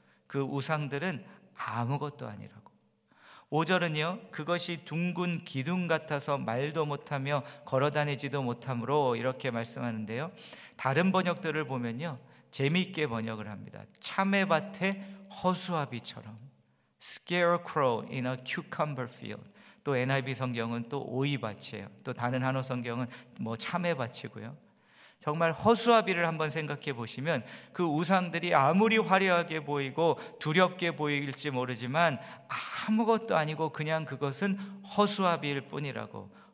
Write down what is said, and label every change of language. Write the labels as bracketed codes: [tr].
[ko] 그 우상들은 아무것도 아니라고. 5절은요, 그것이 둥근 기둥 같아서 말도 못하며 걸어다니지도 못하므로 이렇게 말씀하는데요. 다른 번역들을 보면요, 재미있게 번역을 합니다. 참외밭의 허수아비처럼. [en] Scarecrow in a cucumber field. [ko] 또 NIV 성경은 또 오이밭이에요. 또 다른 한어 성경은 뭐 참외밭이고요. 정말 허수아비를 한번 생각해 보시면 그 우상들이 아무리 화려하게 보이고 두렵게 보일지 모르지만 아무것도 아니고 그냥 그것은 허수아비일 뿐이라고.